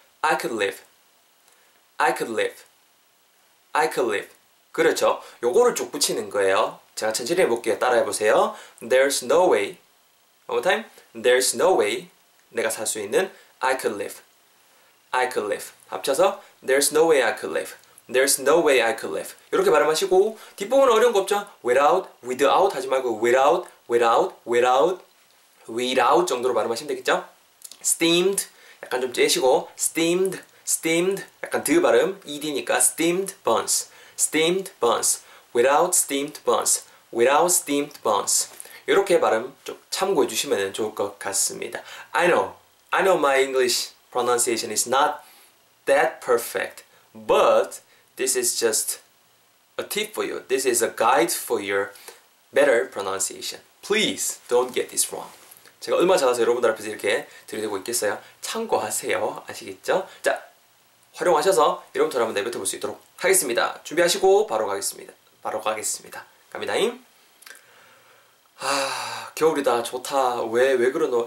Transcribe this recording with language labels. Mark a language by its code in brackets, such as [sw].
[en] I could live, I could live, I could live [ko] 그렇죠. 요거를 쭉 붙이는 거예요. 제가 천천히 해볼게요. 따라해 보세요. [en] There's no way. One more time. There's no way. [ko] 내가 살 수 있는 [en] I could live. I could live. 합쳐서 There's no way I could live. There's no way I could live. [ko] 이렇게 발음하시고 뒷부분은 어려운 거 없죠. [en] Without, without [ko] 하지 말고 [en] without, without, without, without [ko] 정도로 발음하시면 되겠죠. [en] Steamed. [ko] 약간 좀 째시고 [en] steamed, steamed. [ko] 약간 드 발음 ed니까 [en] steamed buns. Steamed buns. Without steamed buns. Without steamed buns. [ko] 이렇게 발음 좀 참고해 주시면 좋을 것 같습니다. [en] I know my English pronunciation is not that perfect. But this is just a tip for you. This is a guide for your better pronunciation. Please don't get this wrong. [ko] 제가 얼마 잘해서 여러분들 앞에서 이렇게 들이대고 있겠어요? 참고하세요. 아시겠죠? 자. 활용하셔서 여러분들 한번 내뱉어볼 수 있도록 하겠습니다. 준비하시고 바로 가겠습니다. 바로 가겠습니다. 갑니다잉. 아, 겨울이다. 좋다. 왜 그러노?